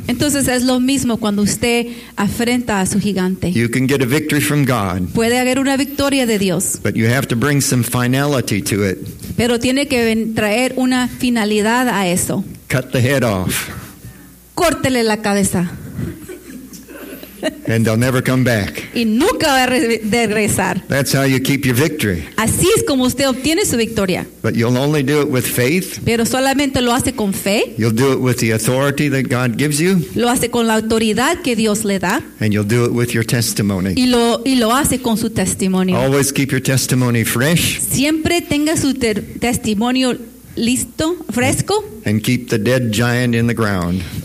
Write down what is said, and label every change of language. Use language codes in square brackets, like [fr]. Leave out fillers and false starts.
[es] Entonces es lo mismo cuando usted afrenta a su gigante. [en] You can get a victory from God. [es] Puede haber una victoria de Dios. [en] But you have to bring some finality to it. [es] Pero tiene que traer una finalidad a eso. [en] Cut the head off. [es] Córtele la cabeza. [en] And they'll never come back. [es] Y nunca va a regresar. [en] That's how you keep your victory. [es] Así es como usted obtiene su victoria. [en] But you'll only do it with faith. [es] Pero solamente lo hace con fe. [en] You'll do it with the authority that God gives you. [es] Lo hace con la autoridad que Dios le da. [en] And you'll do it with your testimony. [es] Y lo hace con su testimonio. [en] Always keep your testimony fresh. [es] Siempre tenga su testimonio listo, fresco. [en] And keep the dead giant in the ground.